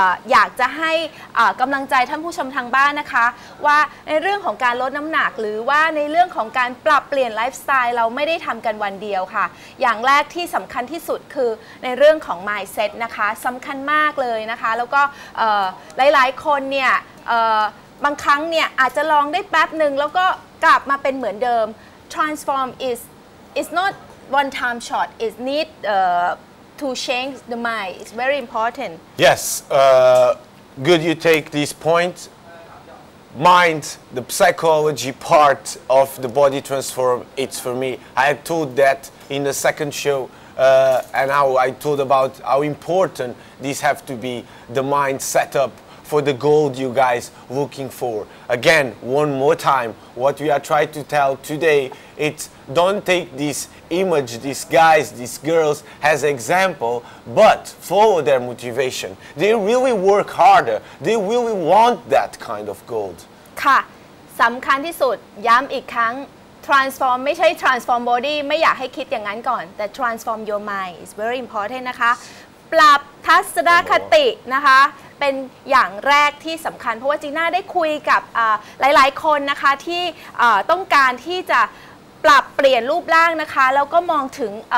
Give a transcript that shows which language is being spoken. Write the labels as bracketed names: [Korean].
[Thai] อยากจะให้กำลังใจท่านผู้ชมทางบ้านนะคะว่าในเรื่องของการลดน้ำหนักหรือว่าในเรื่องของการปรับเปลี่ยนไลฟ์สไตล์เราไม่ได้ทำกันวันเดียวค่ะอย่างแรกที่สำคัญที่สุดคือในเรื่องของ mindset นะคะสำคัญมากเลยนะคะแล้วก็หลายๆคนเนี่ยบางครั้งเนี่ยอาจจะลองได้แป๊บหนึ่งแล้วก็กลับมาเป็นเหมือนเดิม [English] transform is not one time shot it need to change the mind it's very important yes good you take this point mind the psychology part of the body transform it's for me I told that in the second show and how I told about how important this have to be the mind setup for the goal you guys looking for again one more time what we are trying to tell today it's don't take this image these guys these girls as example but follow their motivation they really work harder they really want that kind of goal [Thai] ค่ะสำคัญที่สุดย้ำอีกครั้ง transform ไม่ใช่ transform body ไม่อยากให้คิดอย่างนั้นก่อนแต่ [English] transform your mind is very important [Thai] นะคะปรับทัศนคตินะคะเป็นอย่างแรกที่สำคัญเพราะว่าจีน่าได้คุยกับหลายๆคนนะคะที่ต้องการที่จะปรับเปลี่ยนรูปร่างนะคะแล้วก็มองถึง